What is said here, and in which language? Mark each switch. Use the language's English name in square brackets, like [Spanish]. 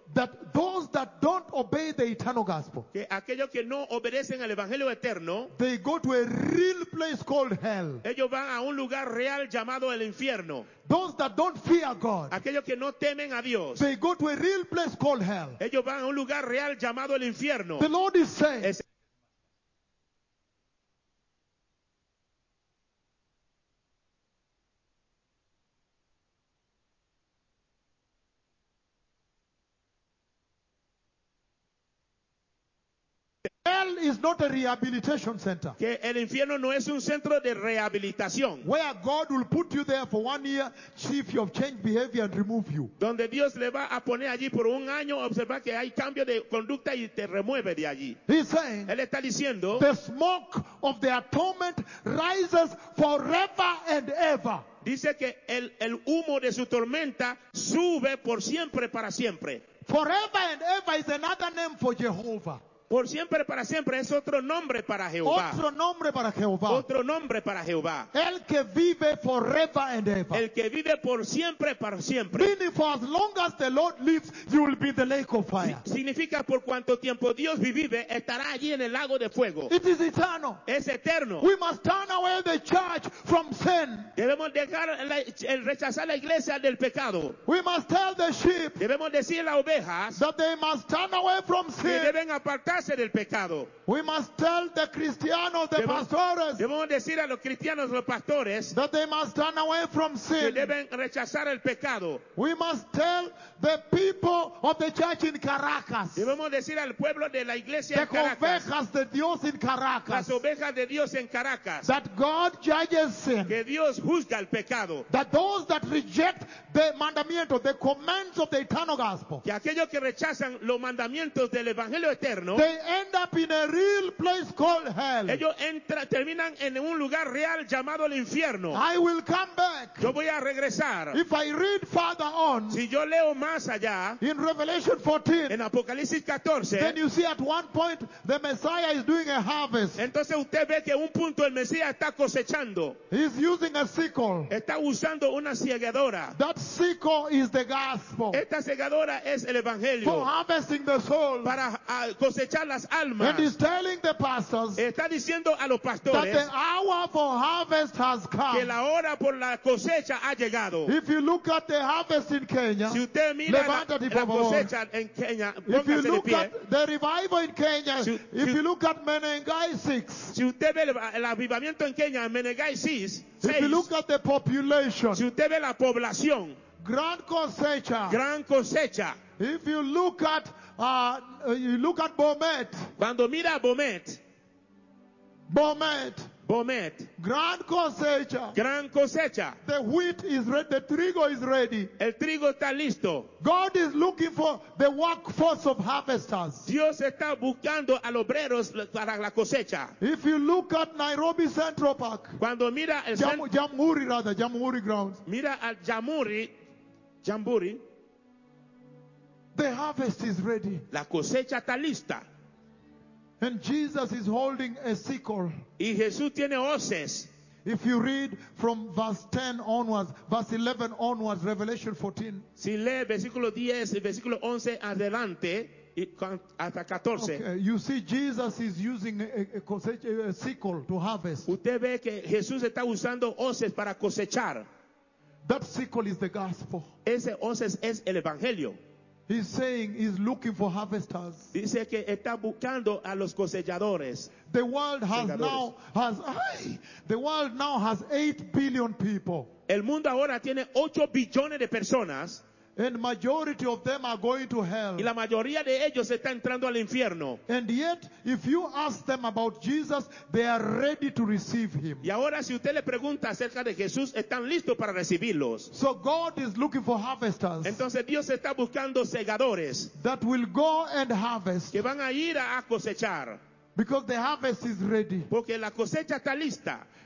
[English] That those that don't obey the eternal gospel, [Spanish] que aquellos que no obedecen al evangelio eterno, [English] they go to a real place called hell. [Spanish] Ellos van a un lugar real llamado el infierno. [English] Those that don't fear God, [Spanish] aquellos que no temen a Dios, [English] they go to a real place called hell. [Spanish] Ellos van a un lugar real llamado el infierno. [English] The Lord is saying. hell is not a rehabilitation center. [Spanish] Que el infierno no es un centro de rehabilitación. [English] Where God will put you there for 1 year, see if you have changed behavior and remove you. [Spanish] Donde Dios le va a poner allí por un año, observar que hay cambio de conducta y te remueve de allí. [English] He's saying, [Spanish] él está diciendo, [English] the smoke of the atonement rises forever and ever. [Spanish] Dice que el humo de su tormenta sube por siempre para siempre. [English] Forever and ever is another name for Jehovah. [Spanish] Por siempre para siempre es otro nombre para Jehová. Otro nombre para Jehová. Otro nombre para Jehová. El que vive [English] forever and ever. [Spanish] El que vive por siempre para siempre. [English] Meaning for as long as the Lord lives, you will be the lake of fire. [Spanish] Significa por cuanto tiempo Dios vive, estará allí en el lago de fuego. [English] It is eternal. [Spanish] Es eterno. [English] We must turn away the church from sin. [Spanish] Debemos dejar el rechazar la iglesia del pecado. [English] We must tell the sheep. [Spanish] Debemos decir a las ovejas [English] that they must turn away from sin. [Spanish] Que deben apartar del pecado. [English] We must tell the Christianos, the pastores. [Spanish] Debemos decir a los cristianos, los pastores, [English] that they must turn away from sin. [Spanish] Que deben rechazar el pecado. [English] We must tell the people of the church in Caracas. [Spanish] Debemos decir al pueblo de la iglesia de Caracas. Las ovejas de Dios en Caracas. Las ovejas de Dios en Caracas. [English] That God judges sin. [Spanish] Que Dios juzga el pecado. [English] That those that reject the mandamiento, the commands of the eternal gospel. [Spanish] Que aquellos que rechazan los mandamientos del evangelio eterno. [English] They end up in a real place called hell. [Spanish] Ellos terminan en un lugar real llamado el infierno. [English] I will come back. [Spanish] Yo voy a regresar. [English] If I read further on. [Spanish] Si yo leo más allá. [English] In Revelation 14. [Spanish] En Apocalipsis 14. [English] Then you see at one point the Messiah is doing a harvest. [Spanish] Entonces usted ve que un punto el Mesías está cosechando. [English] He's using a sickle. [Spanish] Está usando una segadora. [English] That sickle is the gospel. [Spanish] Esta segadora es el evangelio. [English] For harvesting the soul. [Spanish] Para cosechar las almas. [English] And he's telling the pastors, [Spanish] está diciendo a los pastores, [English] that the hour for harvest has come. [Spanish] Que la hora por la cosecha ha llegado. [English] If you look at the harvest in Kenya, [Spanish] si usted mira levanta la cosecha en Kenya, [English] if you look [Spanish] pie, [English] at the revival in Kenya, if you look at Menengai 6, [Spanish] si usted ve el avivamiento en Kenya, Menengai 6, if you look at the population, si usted ve la población, gran cosecha, gran cosecha. [English] If you look at Bomet. [Spanish] Cuando mira Bomet. Bomet. Bomet. Gran cosecha. Gran cosecha. [English] The wheat is ready. The trigo is ready. [Spanish] El trigo está listo. [English] God is looking for the workforce of harvesters. [Spanish] Dios está buscando a los obreros para la cosecha. [English] If you look at Nairobi Central Park. [Spanish] Cuando mira el [English] Jamhuri grounds. [Spanish] Mira al Jamhuri. [English] The harvest is ready. [Spanish] La cosecha está lista. [English] And Jesus is holding a sickle. [Spanish] Y Jesús tiene hoces. [English] If you read from verse 10 onwards, verse 11 onwards, Revelation 14. [Spanish] Si lee versículo 10 y versículo 11 adelante, hasta 14. [English] Okay. You see Jesus is using a cosecha, a sickle to harvest. [Spanish] Usted ve que Jesús está usando hoces para cosechar. [English] That sickle is the gospel. [Spanish] Ese hoces es el evangelio. [English] He's saying he's looking for harvesters. [Spanish] Dice que está buscando a los cosechadores. [English] The world has now has 8 billion people. [Spanish] El mundo ahora tiene 8 billones de personas. [English] And majority of them are going to hell. [Spanish] Y la mayoría de ellos está entrando al infierno. [English] And yet, if you ask them about Jesus, they are ready to receive him. [Spanish] Y ahora si usted le pregunta acerca de Jesús, están listos para recibirlos. [English] So God is looking for harvesters. [Spanish] Entonces Dios está buscando segadores. [English] That will go and harvest. [Spanish] Que van a ir a cosechar. [English] Because the harvest is ready. [Spanish] Porque la cosecha está lista.